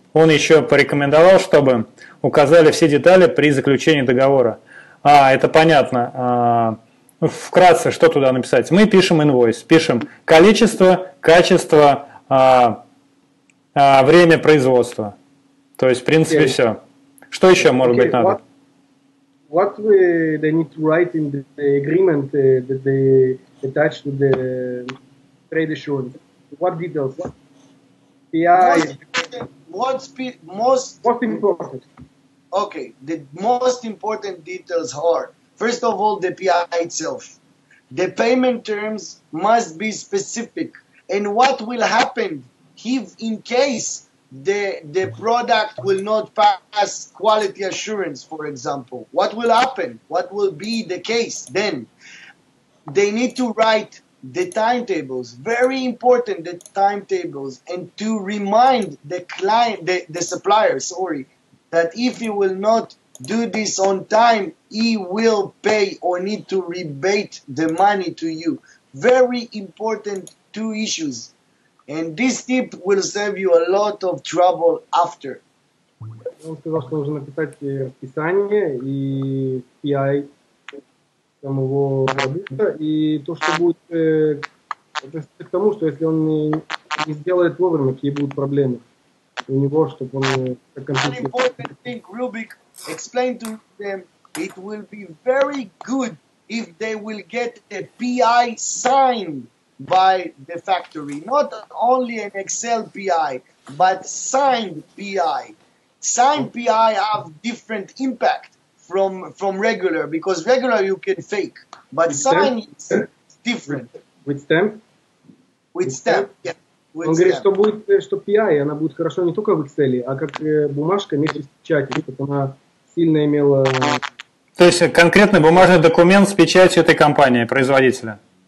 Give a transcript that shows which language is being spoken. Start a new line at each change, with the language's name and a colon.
Russian: Он еще порекомендовал, чтобы указали все детали при заключении договора. А, это понятно. Вкратце, что туда написать? Мы пишем инвойс, пишем количество, качество, время производства. То есть, в принципе, okay. Все. Что еще может okay. быть надо?
English: What we, they need to write in the agreement that they attach to the trade assurance? What details? Most important. Okay, the most important details are, first of all, the PI itself. The payment terms must be specific. And what will happen if, in case the product will not pass quality assurance, for example? What will happen? What will be the case then? They need to write the timetables, very important, the timetables, and to remind the client, the supplier, sorry, that if he will not do this on time, he will pay or need to rebate the money to you. Very important two issues. And this tip will save you a lot of trouble after.
Russian: Он сказал, что нужно написать расписание и PI. там его продукта, и то, что будет, это к тому, что если он не сделает вовремя, какие будут проблемы у него, чтобы он как компьютер.
English: Rubik, explain to them, it will be very good if they will get a PI signed by the factory, not only an Excel PI, but signed PI. Signed PI have different impact from regular, because regular you can fake, but signed is different. With stamp.
Russian: Он говорит, что PI, она будет хорошо не только в Excel, а как бумажка вместе с печатью, чтобы она сильно имела... То есть конкретный бумажный документ с печатью этой компании, производителя.